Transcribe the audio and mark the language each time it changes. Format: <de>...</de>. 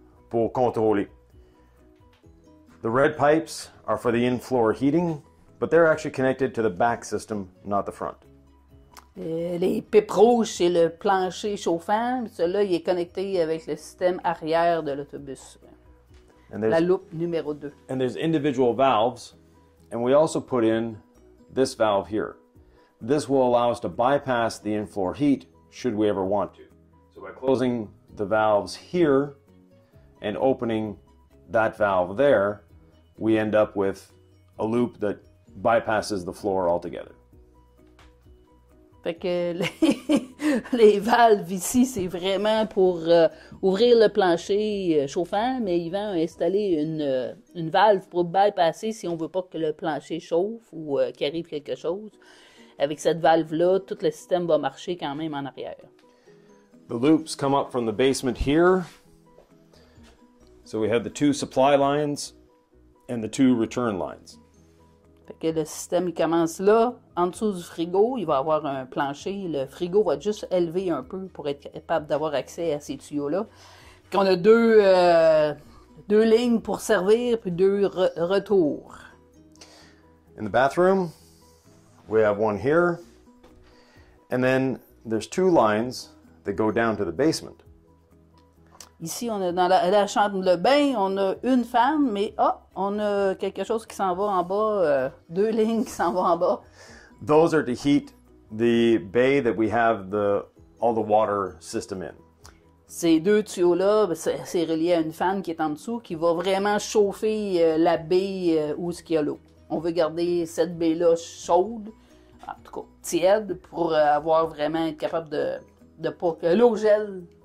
<fr>pour contrôler.</fr> <en>The red pipes are for the in-floor heating, but they're actually connected to the back system, not the front.</en> <fr>Les pipes rouges, c'est le plancher chauffant. Celui-là, il est connecté avec le système arrière de l'autobus. La loupe numéro 2.</fr> <en>And there's individual valves, and we also put in this valve here. This will allow us to bypass the in-floor heat should we ever want to. So by closing the valves here and opening that valve there, we end up with a loop that bypasses the floor altogether.</en> <fr>Fait que les valves ici, c'est vraiment pour ouvrir le plancher chauffant, mais ils vont installer une valve pour bypasser si on veut pas que le plancher chauffe ou qu'il arrive quelque chose. Avec cette valve-là, tout le système va marcher quand même en arrière.</fr> <en>The loops come up from the basement here. So we have the two supply lines and the two return lines.</en> <fr>Fait que le système il commence là, en dessous du frigo, il va avoir un plancher. Le frigo va juste élever un peu pour être capable d'avoir accès à ces tuyaux-là. Puis on a deux lignes pour servir, puis deux retours.</fr> <en>In the bathroom, we have one here. And then there's two lines that go down to the basement.</en> <fr>Ici, on est dans la chambre de bain, on a une fan, mais oh, on a quelque chose qui s'en va en bas, deux lignes qui s'en vont en bas.</fr> <en>Those are to heat the bay that we have all the water system in.</en> <fr>Ces deux tuyaux-là, c'est relié à une fan qui est en dessous, qui va vraiment chauffer la baie où il y a l'eau. On veut garder cette baie-là chaude, en tout cas tiède, pour avoir vraiment être capable de pas que l'eau gèle.</fr>